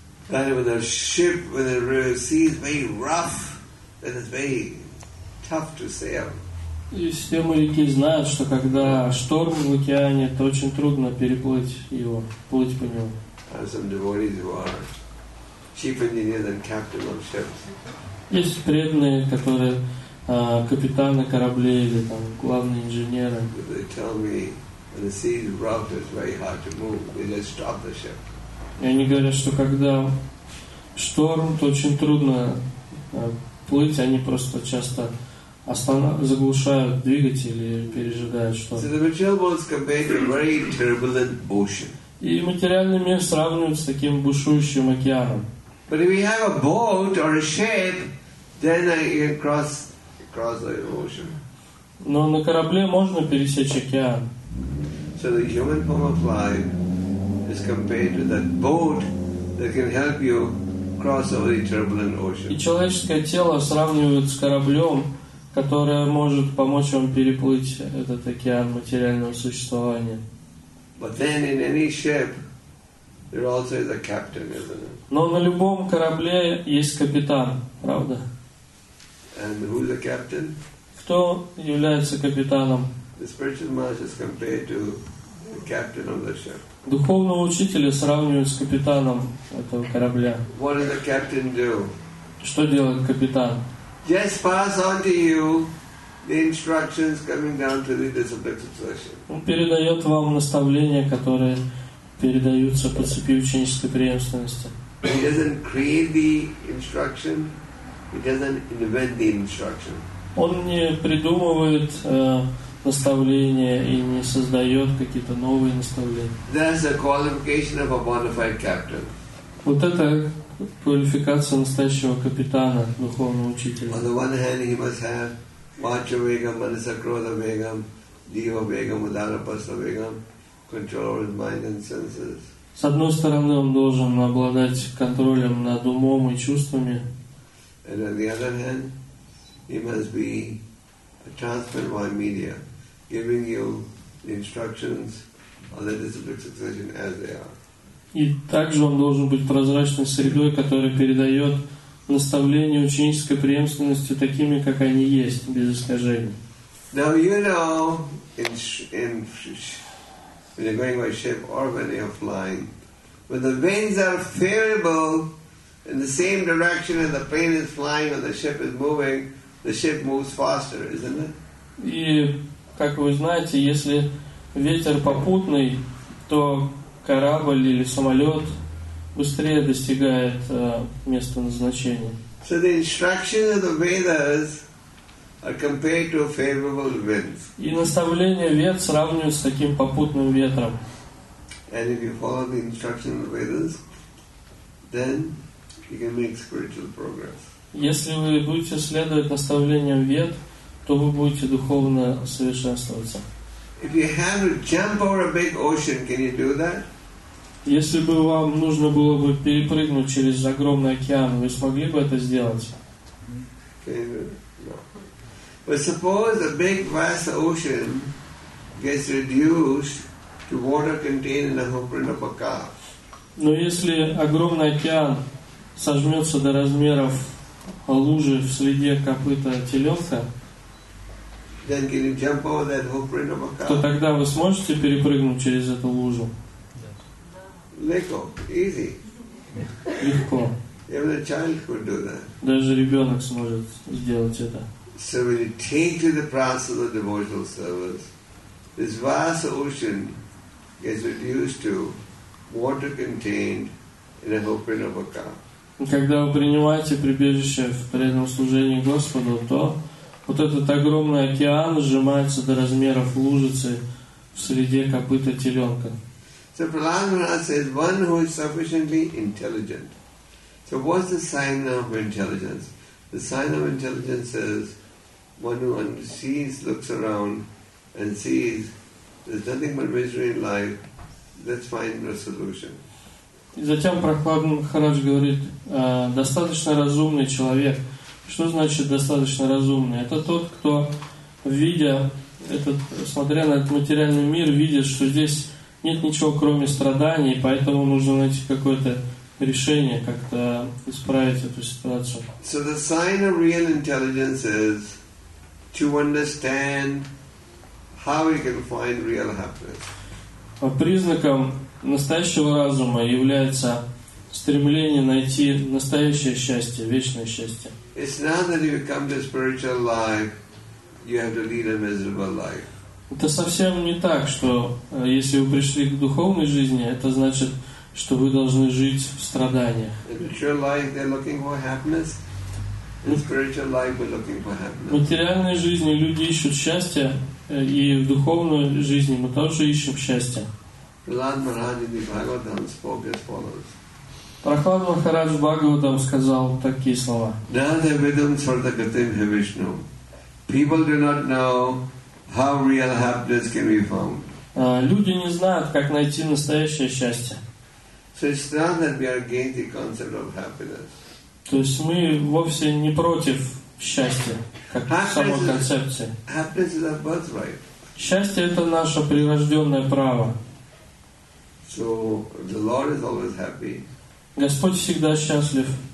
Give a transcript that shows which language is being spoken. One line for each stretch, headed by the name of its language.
English: That with a ship, when the sea is very rough, then it's very tough to sail.
Russian: И все моряки знают, что когда шторм в океане, то очень трудно переплыть его, плыть по нему.
English: There are some devotees who are chief engineers and captains of ships.
Russian: Есть преданные, которые капитаны кораблей или там главные инженеры.
English: But they tell me when the sea is rough, it's very hard to move. They just stop the ship.
Russian: И они говорят, что когда шторм, то очень трудно плыть, они просто часто заглушают двигатели и пережидают шторм. И материальный мир сравнивают с таким бушующим океаном.
English: But if you have a boat or a ship, then you can cross the ocean.
Russian: Но на корабле можно пересечь океан.
English: So the human form of life is compared to that boat that can help you cross over the turbulent ocean.
Russian: И человеческое тело сравнивают с кораблем, которое может помочь вам переплыть этот океан материального существования.
English: But then in any ship, there also is a captain, isn't it?
Russian: Но на любом корабле есть капитан, правда?
English: And who is the captain?
Russian: Кто является капитаном?
English: The spiritual master is compared to the captain of the ship.
Russian: Духовного учителя сравнивают с капитаном этого корабля.
English: What does the captain do?
Russian: Что делает капитан?
English: Just pass on to you the instructions coming down to the disciplined succession.
Russian: Он передает вам наставления, которые передаются по цепи ученической преемственности.
English: He doesn't create the instruction. He doesn't invent the instruction.
Russian: Он не придумывает наставления и не создает какие-то новые наставления.
English: That's a qualification of a bona fide captain.
Russian: Вот это квалификация настоящего капитана, духовного учителя.
English: On the one hand, he must have Macha Vegam, Manasa Krodha Vegam, Diva Vegam, Udarapasta Vegam, control over his mind and senses.
Russian: С одной стороны, он должен обладать контролем над умом и чувствами.
English: And on the other hand, he must be a transparent white media, giving you the instructions on the disciplined succession as they are.
Russian: И также он должен быть прозрачной средой, которая передает наставления ученической преемственности такими, как они есть, без искажений.
English: Now you know, in when you're going by ship or when you're flying, when the winds are favorable in the same direction as the plane is flying or the ship is moving, the ship moves faster, isn't it?
Russian: И, как вы знаете, если ветер попутный, то корабль или самолет быстрее достигает места назначения.
English: So the instructions of the Vedas are compared to favorable winds.
Russian: И наставления Вед сравнивают с таким попутным ветром.
English: And if you follow the instructions of the Vedas, then you can make spiritual progress.
Russian: Если вы будете следовать наставлениям Вед, то вы будете духовно совершенствоваться.
English: If you have to jump over a big ocean, can you do that?
Russian: Если бы вам нужно было бы перепрыгнуть через огромный океан, вы смогли бы это сделать? Но если огромный океан сожмется до размеров лужи в среде копыта теленка, то тогда вы сможете перепрыгнуть через эту лужу? Легко,
English: easy.
Russian: Легко.
English: Even a child could do that.
Russian: Даже ребенок сможет сделать это.
English: So when you take to the process of devotional service, this vast ocean gets reduced to water contained in a footprint of a cup.
Russian: Когда вы принимаете прибежище в преданном служении Господу, то вот этот огромный океан сжимается до размеров лужицы в среде копыта теленка.
English: So Prahlada says, one who is sufficiently intelligent. So what's the sign of intelligence? The sign of intelligence is one who sees, looks around and sees there's nothing but misery in life. Let's find a solution.
Russian: И затем Прахлада Махарадж говорит, достаточно разумный человек. Что значит достаточно разумный? Это тот, кто, видя этот, смотря на этот материальный мир, видит, что здесь нет ничего, кроме страданий, поэтому нужно найти какое-то решение, как-то исправить эту ситуацию.
English: So the sign of real intelligence is to understand how we can find real happiness.
Russian: Признаком настоящего разума является стремление найти настоящее счастье, вечное счастье.
English: It's not that you come to spiritual life, you have to lead a miserable life.
Russian: Это совсем не так, что если вы пришли к духовной жизни, это значит, что вы должны жить в страданиях. В материальной жизни люди ищут счастье, и в духовной жизни мы тоже ищем счастье. Прахлада Махарадж Бхагаватам сказал такие слова.
English: People do not know how real happiness can be found.
Russian: Люди не знают, как найти настоящее счастье.
English: So it's not that we are against the concept of happiness.
Russian: То есть мы вовсе не против счастья, как самой концепции.
English: Happiness is our birthright.
Russian: Счастье — это наше прирожденное право.
English: So the Lord is always happy. Господь всегда счастлив.